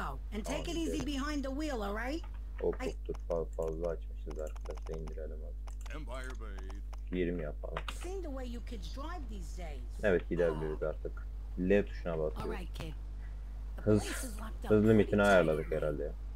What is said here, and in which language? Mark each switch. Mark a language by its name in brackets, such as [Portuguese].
[English] And take it easy behind the wheel, all right? [Turkish] Oturttuk, fazla açmışız arkadaşlar, indirelim abi. 20 yapalım. [English] Seen the way you kids drive these days. [Turkish] Evet, gidebiliriz artık. L tuşuna basıyoruz. [English] All right, kid. [Turkish] Hızlı mitini ayarladık herhalde.